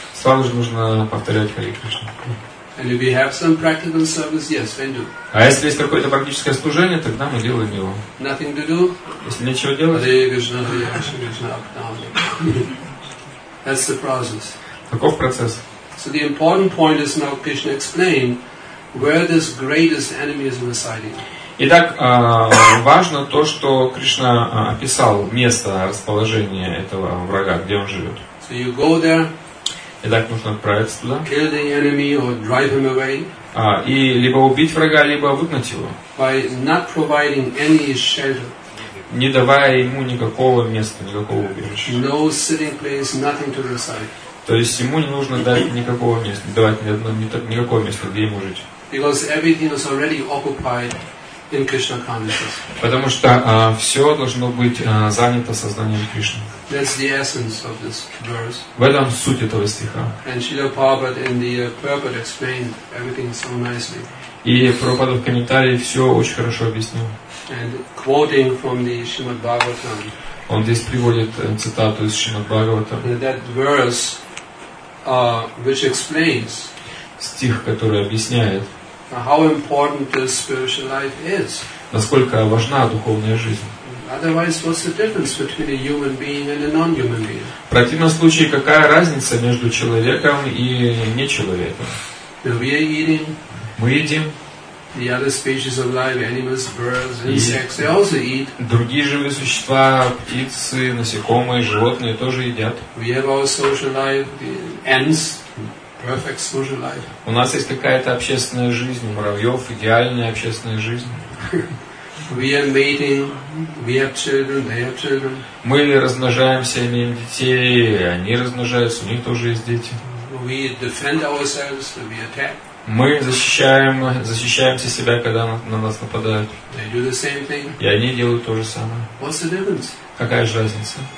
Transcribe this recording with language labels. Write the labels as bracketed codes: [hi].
[ru] Сразу же нужно повторять Хари Кришна. [en] And if we have some practical service, yes, then do. [ru] А если есть какое-то практическое служение, тогда мы делаем его. [en] Nothing to do. [ru] Если нечего делать. [en] Hare Krishna, Hare Krishna, up down. That's the process. [ru] Каков процесс? [en] So the important point is now Krishna explain where this greatest enemy is residing. [ru] Итак, важно то, что Кришна описал место расположения этого врага, где он живет. [en] So you go there. [ru] Итак, нужно отправиться туда. [en] Kill the enemy or drive him away. [ru] И либо убить врага, либо выгнать его. [en] By not providing any shelter. [ru] Не давая ему никакого места, никакого убежища. [en] No sitting place, nothing to reside. [ru] То есть ему не нужно дать никакого места, давать никакого места, где ему жить. [en] Because everything is already occupied in Krishna consciousness. [ru] Потому что все должно быть занято сознанием Кришны. [en] That's the essence of this verse. [ru] В этом суть этого стиха. [en] And Srila Prabhupada in the purport explained everything so nicely. [ru] И Прабхупада в комментарии все очень хорошо объяснил. [en] And quoting from the Srimad Bhagavatam. [ru] Он здесь приводит цитату из Шримад Бхагаватам. [en] That verse, which explains, [ru] стих, который объясняет, [en] how important the spiritual life is. [ru] Насколько важна духовная жизнь. [en] Otherwise, what's the difference between a human being and a non-human being? [ru] противном случае, какая разница между человеком и нечеловеком? Мы едим. [en] The other species of life, animals, birds, insects, they also eat. [ru] Другие живые существа, птицы, насекомые, животные тоже едят. [en] We have our social life, the ants, perfect social life. [ru] У нас есть какая-то общественная жизнь, муравьев, идеальная общественная жизнь. [en] We are mating, we have children, they have children. [ru] Мы размножаемся, имеем детей, они размножаются, у них тоже есть дети. [en] We defend ourselves when we attack. [ru] Мы защищаемся себя, когда на нас нападают. [en] They do the same thing. [ru] И они делают то же самое. [en] What's the difference? [ru] Какая же разница?